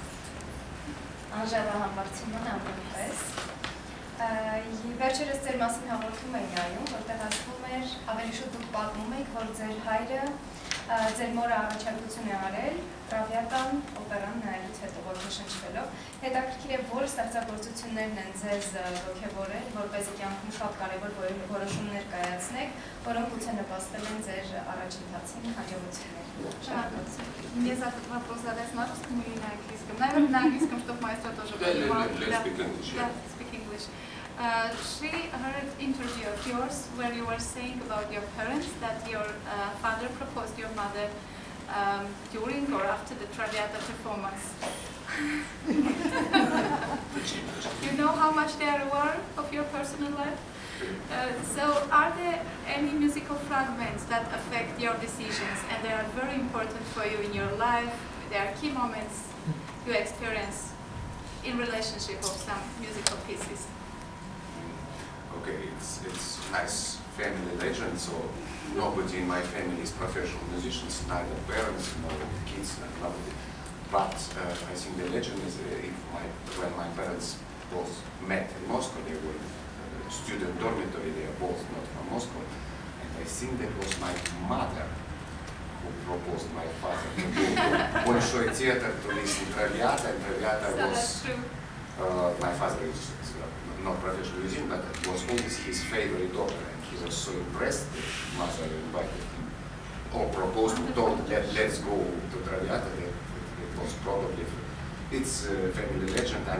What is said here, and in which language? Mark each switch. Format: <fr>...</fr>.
<hy>Անժելա Համբարձումյան ամենպես։ Վերջերս ձեր մասին հաղորդում էի նայում, որտեղ ասվում էր, ավելի շուտ դուք պատմում էիք, որ ձեր հայրը ձեր մորը առաջարկություն է արել Տրավիատան օպերան նայելուց հետո, որ նշանջվելով։ Հետաքրքիր է, որ ստեղծագործություններն են ձեզ ոգևորել, որպեսզի կյանքում շատ կարևոր որոշումներ կայացնեք, որոնք ուցե նպաստել են ձեր առաջընթացին հաջողություններ։</hy> <ru>Мне завтра вопрос задать на русском или на английском? Наверное, на английском, чтобы маэстро тоже понимал. Да,</ru> <en>speak English. She heard interview of yours where you were saying about your parents that your father proposed your mother during or after the Traviata performance. You know how much they are aware of your personal life? So are there any musical fragments that affect your decisions and they are very important for you in your life? They are key moments you experience in relationship of some musical pieces. Okay, it's nice family legend, so nobody in my family is professional musicians, neither parents nor kids, nobody. But I think the legend is when my parents both met in Moscow, they were student dormitory, they are both not from Moscow, and I think that was my mother who proposed. was my father.</en> <ru>Большой театр, то есть Травиата.</ru> <en>Травиата was my father is not professional musician, but it was always his favorite opera. And he was so impressed that mother invited him or proposed to told that let's go to Травиата. It was probably it's a family legend.</en>